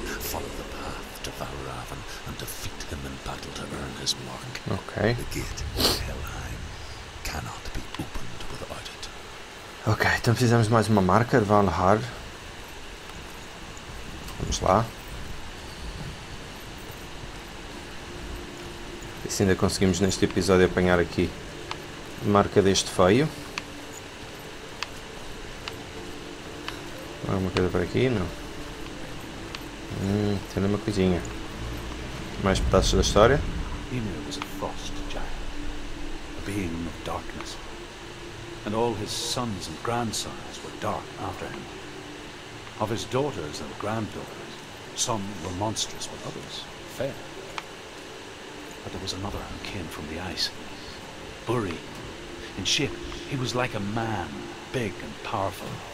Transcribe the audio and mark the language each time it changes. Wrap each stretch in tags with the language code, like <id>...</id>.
<en>Follow the path to Valravn and defeat him in battle to earn his mark. Okay. The gate of Helheim cannot be opened without it.</en> <pt>Okay, então precisamos mais uma marca de Valhar. Vamos lá. E se ainda conseguimos neste episódio apanhar aqui a marca deste feio. Alguma coisa por aqui? Não. Tem uma coisinha. Mais pedaços da história?</pt> <en>Ymir was a frost giant, a being of darkness. And all his sons and grandsons were dark after him. Of his daughters and granddaughters, some were monstrous, but others fair. But there was another who came from the ice, Buri. In shape, he was like a man, big and powerful.</en>